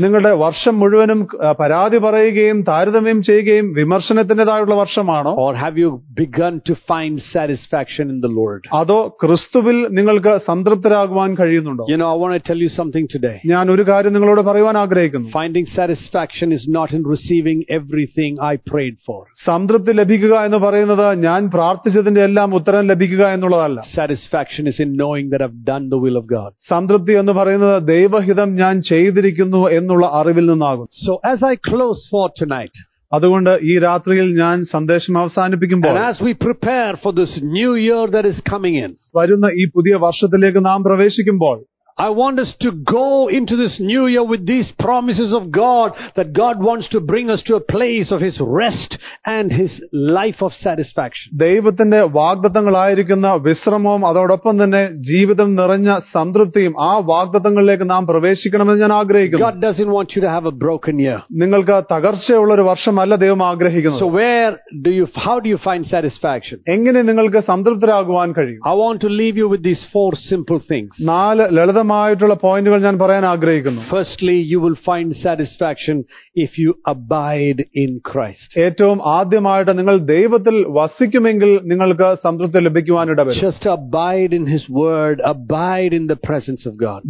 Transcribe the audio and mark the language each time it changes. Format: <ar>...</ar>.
<ml>നിങ്ങളുടെ വർഷം മുഴുവനും പരാതി പറയുകയും താരതമ്യം ചെയ്യുകയും വിമർശനത്തിന്റേതായുള്ള വർഷമാണോ?</ml> <en>Or have you begun to find satisfaction in the Lord?</en> <ml>അതോ ക്രിസ്തുവിൽ നിങ്ങൾക്ക് സംതൃപ്തരാകുവാൻ കഴിയുന്നുണ്ടോ?</ml> <en>You know, I want to tell you something today.</en> <ml>ഞാൻ ഒരു കാര്യം നിങ്ങളോട് പറയാൻ ആഗ്രഹിക്കുന്നു.</ml> <en>Finding satisfaction is not in receiving everything I prayed for.</en> <ml>സംതൃപ്തി ലഭിക്കുക എന്ന് പറയുന്നത് ഞാൻ പ്രാർത്ഥിച്ചതിന്റെ എല്ലാം ഉത്തരം ലഭിക്കുക എന്നുള്ളതല്ല.</ml> <en>Satisfaction is in knowing that I've done the will of God.</en> <ml>സംതൃപ്തി എന്ന് പറയുന്നത് ദൈവഹിതം ഞാൻ ചെയ്തിരിക്കുന്നു എന്നുള്ള അറിവിൽ നിന്നാകും.</ml> <en>so as I close for tonight,</en> <ml>അതുകൊണ്ട് ഈ രാത്രിയിൽ ഞാൻ സന്ദേശം അവസാനിപ്പിക്കുമ്പോൾ,</ml> <en>as we prepare for this new year that is coming in,</en> <ml>വരുന്ന ഈ പുതിയ വർഷത്തിലേക്ക് നാം പ്രവേശിക്കുമ്പോൾ,</ml> <en>I want us to go into this new year with these promises of God, that God wants to bring us to a place of his rest and his life of satisfaction.</en> <ml>ദൈവത്തിന്റെ വാഗ്ദത്തങ്ങളായിരിക്കുന്ന വിശ്രമവും അതോടൊപ്പം തന്നെ ജീവിതം നിറഞ്ഞ സംതൃപ്തിയും ആ വാഗ്ദത്തങ്ങളിലേക്ക് നാം പ്രവേശിക്കണമെന്ന് ഞാൻ ആഗ്രഹിക്കുന്നു.</ml> <en>God doesn't want you to have a broken year.</en> <ml>നിങ്ങൾക്ക് തകർച്ചയുള്ള ഒരു വർഷമല്ല ദൈവം ആഗ്രഹിക്കുന്നത്.</ml> <en>So how do you find satisfaction?</en> <ml>എങ്ങനെ നിങ്ങൾക്ക് സംതൃപ്തരാകുവാൻ കഴിയും?</ml> <en>I want to leave you with these four simple things.</en> <ml>നാല് ലളിതമായ പ്രധാനമായിട്ടുള്ള പോയിന്റുകൾ ഞാൻ പറയാൻ ആഗ്രഹിക്കുന്നു.</ml> <en>Firstly, you will find satisfaction if you abide in Christ.</en> <ml>ഏറ്റവും ആദ്യമായിട്ട് നിങ്ങൾ ദൈവത്തിൽ വസിക്കുമെങ്കിൽ നിങ്ങൾക്ക് സംതൃപ്തി ലഭിക്കുവാനിട വരും.</ml> <en>Just abide in his word, abide in the presence of God.</en>